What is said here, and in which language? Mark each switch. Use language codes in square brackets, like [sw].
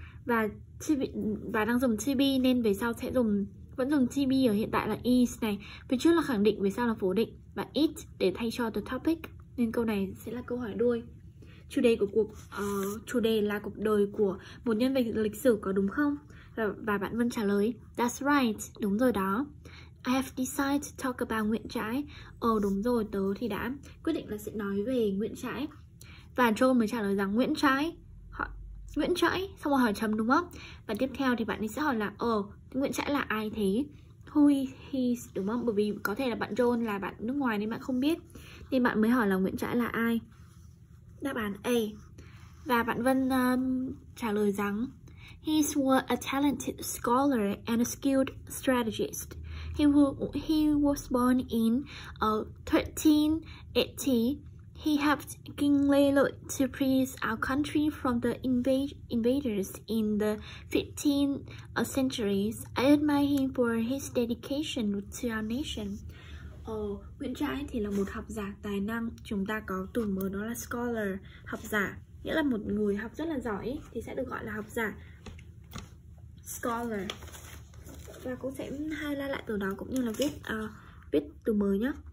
[vi] và chibi, và đang dùng chibi nên về sau sẽ dùng vẫn dùng chibi ở hiện tại là is này. Phía trước là khẳng định, về sau là phủ định và it để thay cho the topic, nên câu này sẽ là câu hỏi đuôi. Chủ đề của cuộc chủ đề là cuộc đời của một nhân vật lịch sử, có đúng không? Và bạn Vân trả lời [en] that's right, [vi] đúng rồi đó. [en] I have decided to talk about Nguyễn Trãi. [vi] Ồ đúng rồi, tớ thì đã quyết định là sẽ nói về Nguyễn Trãi. Và John mới trả lời rằng Nguyễn Trãi, Nguyễn Trãi, xong rồi hỏi chấm đúng không? Và tiếp theo thì bạn ấy sẽ hỏi là ồ, Nguyễn Trãi là ai thế? [en] Who he is, [vi] đúng không? Bởi vì có thể là bạn John là bạn nước ngoài nên bạn không biết, nên bạn mới hỏi là Nguyễn Trãi là ai. Đáp án A. Và bạn Vân trả lời rằng [en] he was a talented scholar and a skilled strategist. He was born in 1380. He helped King Lê Lợi to free our country from the invaders in the 15th century. I admire him for his dedication to our nation. [vi] Nguyễn Trãi thì là một học giả tài năng. Chúng ta có từ mới đó là scholar, học giả, nghĩa là một người học rất là giỏi thì sẽ được gọi là học giả, scholar. Và cũng sẽ highlight lại từ đó cũng như là viết từ mới nhé.